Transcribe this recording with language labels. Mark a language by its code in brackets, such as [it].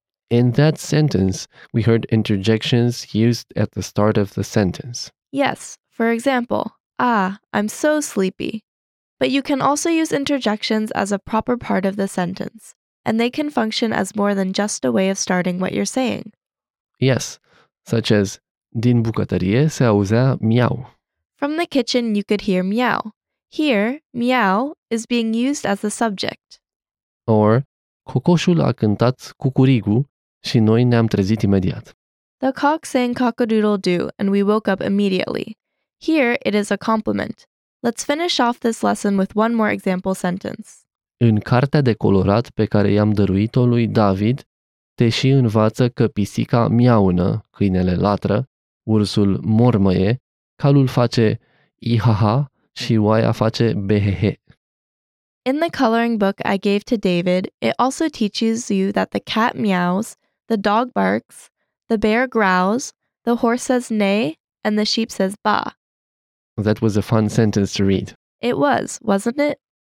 [en] In that sentence, we heard interjections used at the start of the sentence. Yes, for example, ah, I'm so sleepy. But you can also use interjections as a proper part of the sentence, and they can function as more than just a way of starting what you're saying. Yes, such as, [ro] din bucătărie se auzea miau. [en] From the kitchen you could hear miau. Here, miau is being used as the subject. [ro] Or, cocoșul a cântat cucurigu și noi ne-am trezit imediat. [en] The cock sang cock-a-doodle-doo and we woke up immediately. Here, it is a compliment. Let's finish off this lesson with one more example sentence. [ro] În cartea de colorat pe care i-am dăruit-o lui David, te și învață că pisica miaună, câinele latră, ursul mormăie, calul face ihaha și oaia face behehe. [en] In the coloring book I gave to David, it also teaches you that the cat meows, the dog barks, the bear growls, the horse says neigh, and the sheep says ba. That was a fun sentence to read. It was, wasn't it?